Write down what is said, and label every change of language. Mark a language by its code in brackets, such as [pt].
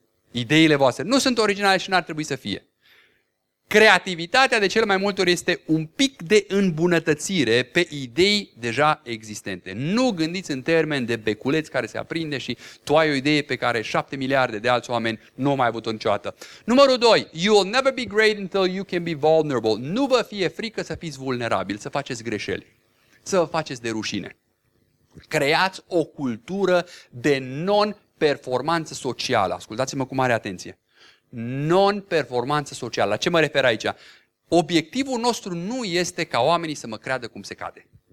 [ro] Ideile voastre nu sunt originale și n-ar trebui să fie. Creativitatea de cele mai multe ori este un pic de îmbunătățire pe idei deja existente. Nu gândiți în termeni de beculeț care se aprinde și tu ai o idee pe care 7 miliarde de alți oameni nu au mai avut-o niciodată. Numărul 2. [en] You will never be great until you can be vulnerable. [ro] Nu vă fie frică să fiți vulnerabil, să faceți greșeli, să vă faceți de rușine. Creați o cultură de non-performanță socială. Ascultați-mă cu mare atenție. Non-performanță socială. La ce mă refer aici? Obiectivul nostru nu este ca oamenii să mă creadă cum se cade.